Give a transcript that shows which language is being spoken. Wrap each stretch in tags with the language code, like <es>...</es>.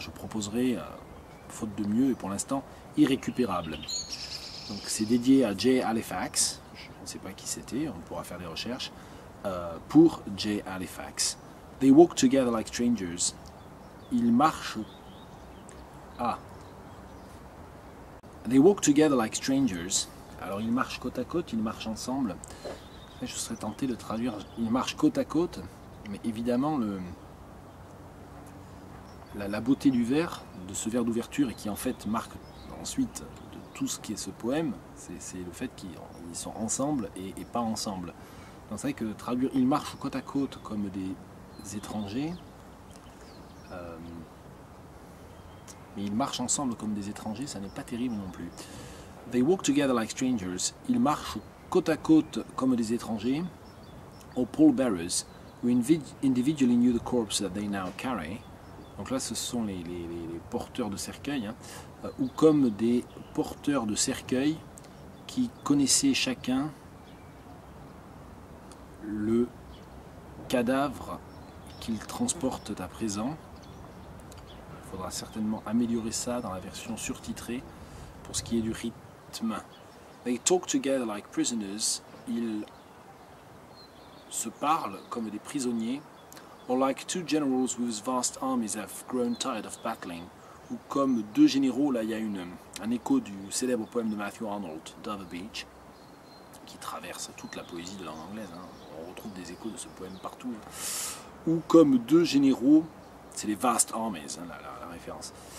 <fr>Je proposerai, faute de mieux et pour l'instant, Irrécupérable. Donc, c'est dédié à Jay Halifax, je ne sais pas qui c'était, on pourra faire des recherches, pour Jay Halifax.</fr> <en>They walk together like strangers.</en> <fr>Ils marchent à...</fr> <en>They walk together like strangers.</en> <fr>Alors, ils marchent côte à côte, ils marchent ensemble. Je serais tenté de traduire « ils marchent côte à côte », mais évidemment, la beauté du vers, de ce vers d'ouverture, et qui en fait marque ensuite de tout ce qui est ce poème, c'est le fait qu'ils sont ensemble et pas ensemble. Donc, c'est vrai que traduire « ils marchent côte à côte » comme des étrangers, mais ils marchent ensemble comme des étrangers, ça n'est pas terrible non plus.</fr> <en>They walk together like strangers.</en> <fr>Ils marchent côte à côte comme des étrangers.</fr> <en>Or pallbearers, who individually knew the corpse that they now carry.</en> <fr>Donc là, ce sont les porteurs de cercueil, hein. Ou comme des porteurs de cercueil qui connaissaient chacun le cadavre qu'ils transportent à présent. Il faudra certainement améliorer ça dans la version surtitrée pour ce qui est du rythme.</fr> <en>They talk together like prisoners.</en> <fr>Ils se parlent comme des prisonniers.</fr> <en>Or like two generals whose vast armies have grown tired of battling.</en> <fr>Ou comme deux généraux, là il y a un écho du célèbre poème de Matthew Arnold, Dover Beach, qui traverse toute la poésie de langue anglaise. Hein. On retrouve des échos de ce poème partout. Hein. Ou comme deux généraux, c'est les vast armies, hein, la référence.</fr>